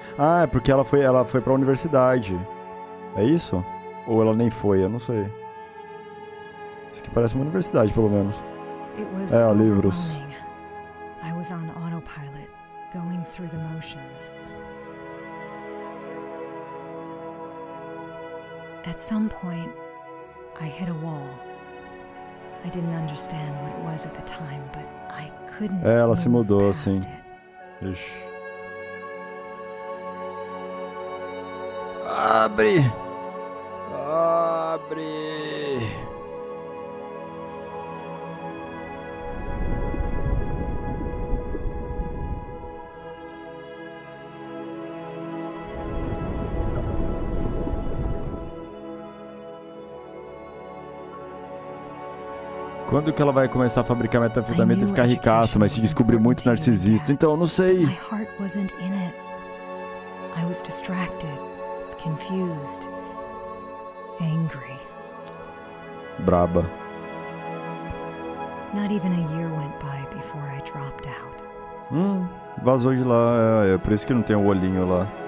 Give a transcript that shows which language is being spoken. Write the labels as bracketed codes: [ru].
[pt] Ah, é porque ela foi pra universidade. É isso? Ou ela nem foi, eu não sei. Isso aqui parece uma universidade, pelo menos. É, ó, livros. Eu estava em autopilot, indo por as emoções. [en] At some point, I hit a wall. I didn't understand what it was at the time, but I couldn't. [pt] É, ela se mudou assim. Abre! Abre! Quando que ela vai começar a fabricar metanfetamina e ficar ricaça, mas se descobrir muito narcisista? Então, não sei. [en] My heart wasn't in it. I was distracted, confused, angry. [pt] Braba. [en] Not even a year went by before I dropped out. [pt] Vazou de lá, é por isso que não tem o olhinho lá.